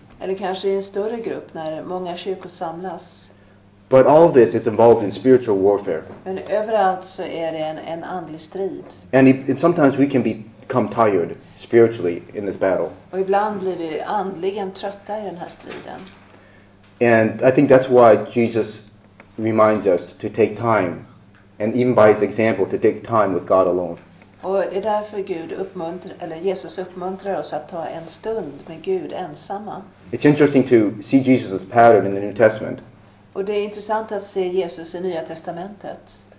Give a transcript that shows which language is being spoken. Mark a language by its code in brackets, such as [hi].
[sv] eller kanske i en större grupp när många kyrkor samlas. [en] But all this is involved in spiritual warfare. [sv] Men överallt så är det en andlig strid. [en] And if sometimes we can become tired spiritually in this battle. [sv] Och ibland blir vi andligen trötta i den här striden. [en] And I think that's why Jesus reminds us to take time, and even by his example, to take time with God alone. [sv] Och det är därför Jesus uppmuntrar oss att ta en stund med Gud ensamma. [en] It's interesting to see Jesus' pattern in the New Testament. [sv] Och det är intressant att se Jesus i Nya Testamentet.